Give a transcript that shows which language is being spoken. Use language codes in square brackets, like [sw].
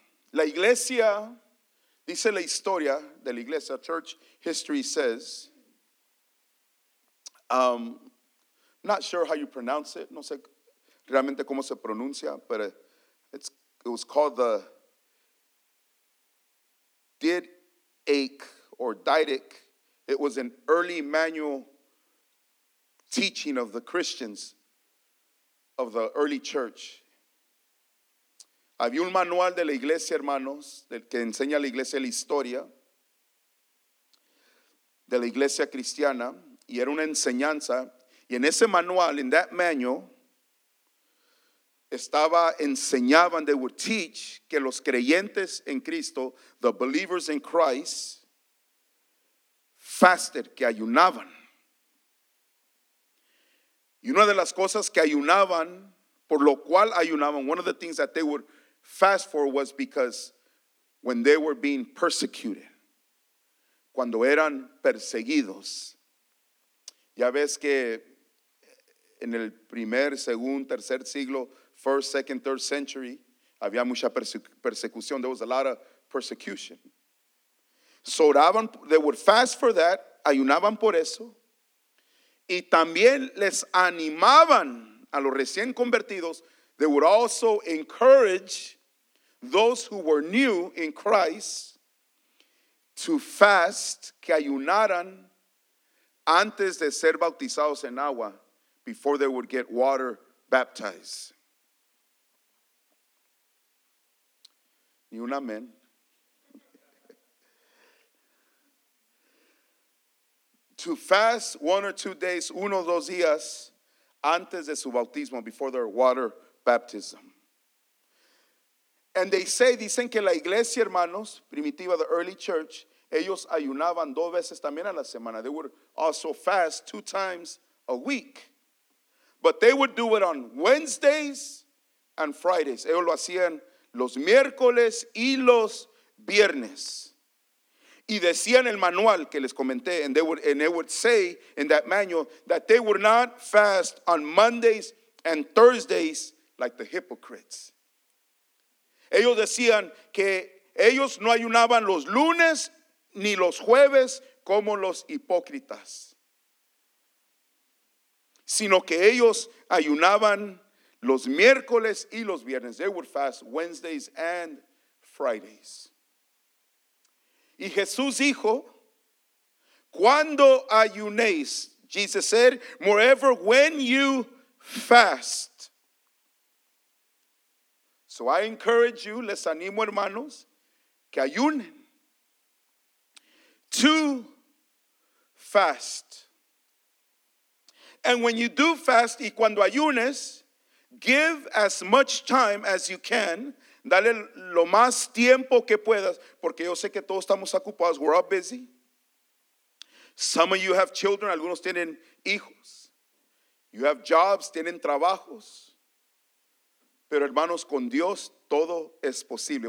[en] La iglesia, dice la historia de la iglesia, church history says, not sure how you pronounce it. No sé realmente cómo se pronuncia, but it was called the Didache or Didache. It was an early manual teaching of the Christians of the early church. [es] Había un manual de la iglesia, hermanos, del que enseña a la iglesia la historia de la iglesia cristiana. Y era una enseñanza. Y en ese manual, in that manual, estaba, enseñaban, they would teach que los creyentes en Cristo, the believers in Christ, fasted, que ayunaban. [en] Y una de las cosas que ayunaban, por lo cual ayunaban, one of the things that they would fast for was because when they were being persecuted, cuando eran perseguidos. [es] Ya ves que en el primer, segundo, tercer siglo, first, second, third century, había mucha persecución. [en] There was a lot of persecution. So oraban, they would fast for that, ayunaban por eso. [es] Y también les animaban a los recién convertidos. [en] They would also encourage those who were new in Christ to fast, que ayunaran antes de ser bautizados en agua, before they would get water baptized. [es] Ni un amén. [en] To fast 1 or 2 days, 1 o 2 días, antes de su bautismo, before their water baptism. [es] And they say, dicen que la iglesia, hermanos, primitiva, the early church, ellos ayunaban 2 veces también a la semana. [en] They would also fast 2 times a week. But they would do it on Wednesdays and Fridays. [es] Ellos lo hacían los miércoles y los viernes. [en] Y decían el manual que les comenté, and they would say in that manual that they would not fast on Mondays and Thursdays like the hypocrites. [es] Ellos decían que ellos no ayunaban los lunes ni los jueves como los hipócritas, sino que ellos ayunaban los miércoles y los viernes. [en] They would fast Wednesdays and Fridays. Y Jesús dijo, cuando ayunéis, Jesus said, moreover, when you fast. So I encourage you, les animo, hermanos, que ayunen. To fast. And when you do fast, y cuando ayunes, give as much time as you can. [es] Dale lo más tiempo que puedas, porque yo sé que todos estamos ocupados. [en] We're all busy. Some of you have children. [es] Algunos tienen hijos. You have jobs. Tienen trabajos. Pero hermanos, con Dios, todo es posible.